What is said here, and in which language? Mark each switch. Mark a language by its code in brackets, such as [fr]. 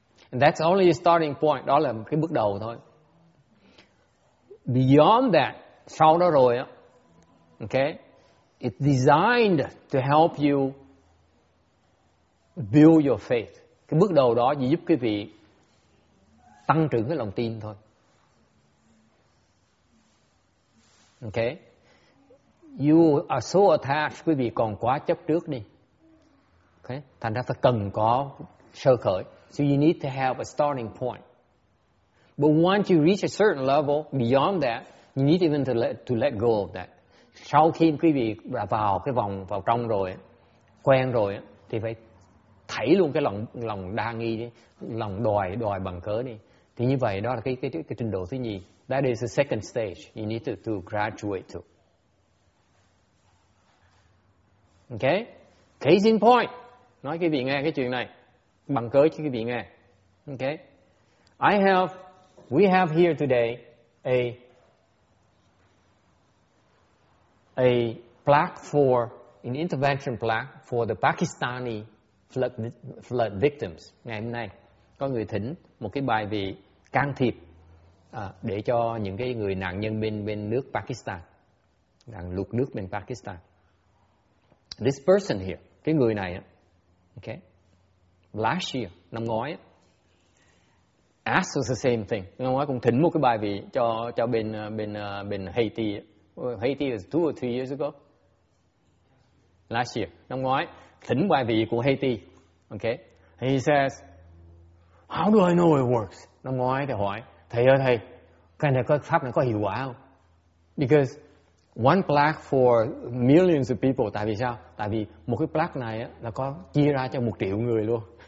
[en] And that's only a starting point. [vi] Đó là cái bước đầu thôi. [en] Beyond that, [vi] sau đó rồi, [en] okay, it's designed to help you build your faith. [vi] Cái bước đầu đó chỉ giúp quý vị tăng trưởng cái lòng tin thôi. Okay? [en] You are so attached, [vi] quý vị còn quá chấp trước đi. Okay? Thành ra phải cần có sơ khởi. [en] So you need to have a starting point. But once you reach a certain level, beyond that, you need even to let go of that. [vi] Sau khi quý vị đã vào cái vòng vào trong rồi, quen rồi, thì phải thảy luôn cái lòng đa nghi, lòng đòi bằng cớ đi. Thì như vậy, đó là cái trình độ thứ nhì. [en] That is the second stage you need to graduate to. Okay? Case in point. [vi] Nói quý vị nghe cái chuyện này. Bằng cớ cho quý vị nghe. Okay? [en] We have here today a plaque for an intervention plaque for the Pakistani flood victims. [vi] Ngày hôm nay có người thỉnh một cái bài vị can thiệp để cho những cái người nạn nhân bên nước Pakistan, nạn lụt nước bên Pakistan. [en] This person here, [vi] cái người này, [en] okay, last year, [vi] năm ngoái, [en] asked the same thing. [vi] Năm ngoái cũng thỉnh một cái bài vị cho bên Haiti. [en] Haiti was 2 or 3 years ago. Last year, [vi] năm ngoái, thỉnh bài vị của Haiti. [en] Okay, he says, how do I know it works? [vi] Năm ngoái thầy hỏi, thầy ơi thầy, cái này có pháp này có hiệu quả không? [en] Because one plaque for millions of people. [vi] Tại vì sao? Tại vì một cái plaque này là có chia ra cho 1 triệu người luôn.